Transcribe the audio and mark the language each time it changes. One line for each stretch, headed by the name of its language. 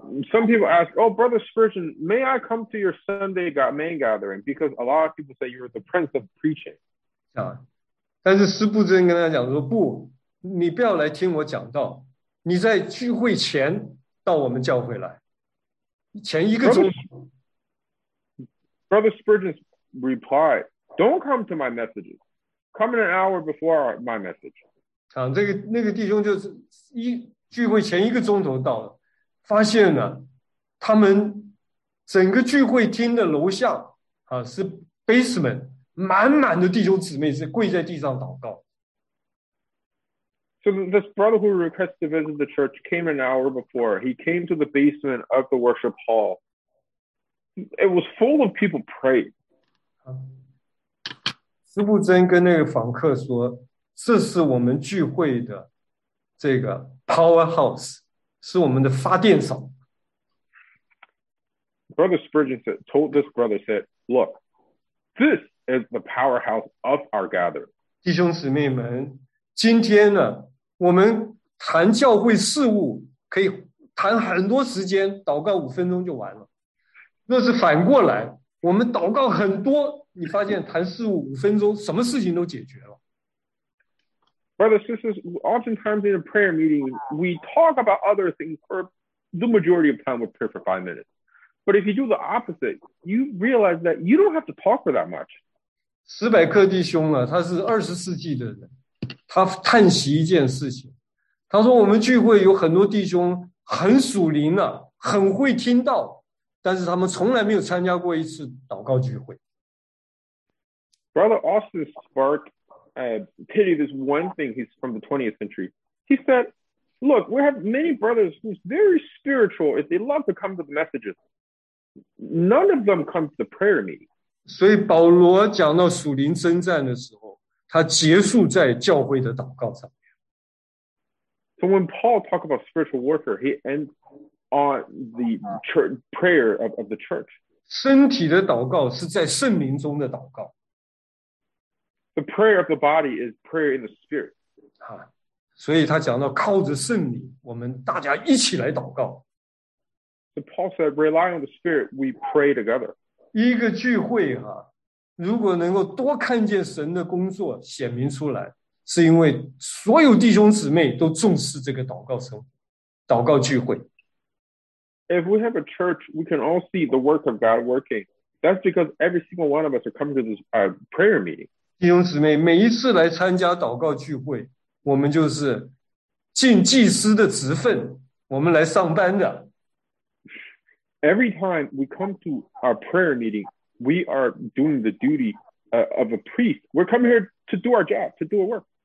English: Some people ask, oh, Brother Spurgeon, may I come to your Sunday main gathering? Because a lot of people say you're the prince of preaching.
Chinese: 但是斯布珍跟他讲说，不，你不要来听我讲道，你在聚会前到我们教会来，前一个钟。
English: Brother Spurgeon replied, don't come to my messages. Come in an hour before my message.
Chinese: 那个弟兄就是聚会前一个钟头到了。发现呢，他们整个聚会厅的楼下啊，是 basement， 满满的弟兄姊妹是跪在地上祷告。
English: So this brother who requested to visit the church came an hour before. He came to the basement of the worship hall. It was full of people praying.
Chinese: 斯布珍跟那个访客说，这是我们聚会的这个 powerhouse。是我们的发电厂。
English: Brother Spurgeon said, told this brother, said, look, this is the powerhouse of our gathering.
Chinese: 弟兄姊妹们，今天呢，我们谈教会事务，可以谈很多时间，祷告五分钟就完了。若是反过来，我们祷告很多，你发现谈事务五分钟，什么事情都解决了。
English: Brothers, sisters, oftentimes in a prayer meeting, we talk about other things for the majority of time we pray for 5 minutes. But if you do the opposite, you realize that you don't have to talk for that much.
Chinese: 斯百克弟兄啊，他是20世纪的人，他叹息一件事情，他说我们聚会有很多弟兄很属灵啊，很会听到，但是他们从来没有参加过一次祷告聚会。
English: Brother Austin Spark. Pity this one thing, he's from the 20th century. He said, look, we have many brothers who's very spiritual, if they love to come to the messages, none of them come to the prayer meeting.
Chinese: 所以保罗讲到属灵征战的时候，他结束在教会的祷告上面。
English: So when Paul talked about spiritual warfare, he ends on the prayer of the church.
Chinese: 身体的祷告是在圣灵中的祷告。
English: The prayer of the body is prayer in the spirit.
Chinese: 所以他讲到靠着圣灵，我们大家一起来祷告。
English: So Paul said, rely on the spirit, we pray together.
Chinese: 一个聚会啊，如果能够多看见神的工作显明出来，是因为所有弟兄姊妹都重视这个祷告生活，祷告聚会。
English: If we have a church, we can all see the work of God working. That's because every single one of us are coming to this prayer meeting.
Chinese: 弟兄姊妹，每一次来参加祷告聚会，我们就是尽祭司的职分，我们来上班的。
English: Every time we come to our prayer meeting, we are doing the duty of a priest. We're coming here to do our job, to do our work.